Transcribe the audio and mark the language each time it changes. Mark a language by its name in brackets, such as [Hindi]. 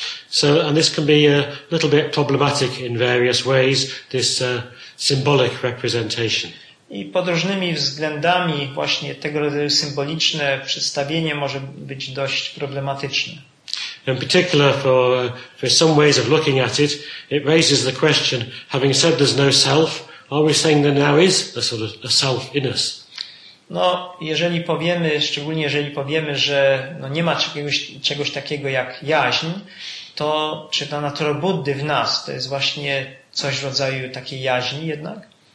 [English] So, and this can be a little bit problematic in various ways, this symbolic representation. [Polish] I pod różnymi względami właśnie tego rodzaju symboliczne przedstawienie może być dość problematyczne. [English] In particular, for some ways of looking at it, it raises the question, having said there's no self, are we saying there now is a sort of a self in us? [Polish] No, jeżeli powiemy, szczególnie jeżeli powiemy, że no nie ma czegoś takiego jak jaźń, to czy ta natura Buddy w nas to jest właśnie coś w rodzaju takiej jaźni jednak?